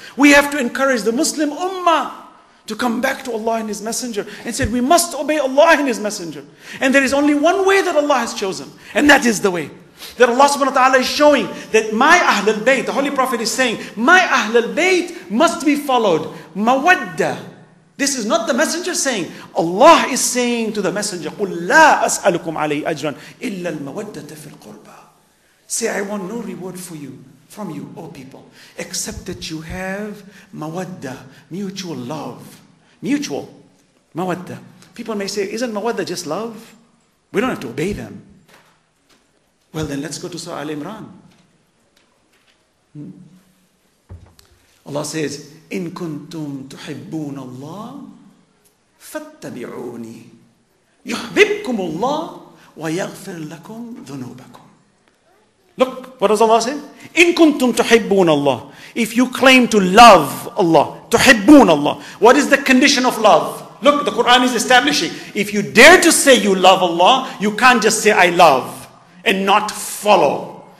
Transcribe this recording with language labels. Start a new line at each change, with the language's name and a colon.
English: We have to encourage the Muslim Ummah to come back to Allah and His Messenger and said, we must obey Allah and His Messenger. And there is only one way that Allah has chosen. And that is the way that Allah subhanahu wa ta'ala is showing that my Ahlul Bayt, the Holy Prophet is saying, my Ahlul Bayt must be followed. Mawadda. This is not the Messenger saying. Allah is saying to the Messenger,
Arabic: قُلْ لَا أَسْأَلُكُمْ عَلَيْهِ أَجْرًا إِلَّا الْمَوَدَّةَ فِي الْقُرْبَى.
English: Say, I want no reward for you, from you, O people, except that you have mawadda, mutual love. Mutual mawadda. People may say, isn't mawadda just love? We don't have to obey them. Well, then let's go to Surah Al-Imran. Allah says,
Arabic: إِن كُنْتُمْ تُحِبُّونَ اللَّهِ فَاتَّبِعُونِي يُحْبِبْكُمُ اللَّهِ وَيَغْفِرْ لَكُمْ ذُنُوبَكُمْ.
English: Look, what does Allah say? In kuntum tuhibbun Allah. If you claim to love Allah, tuhibbun Allah. What is the condition of love? Look, the Quran is establishing. If you dare to say you love Allah, you can't just say I love and not follow.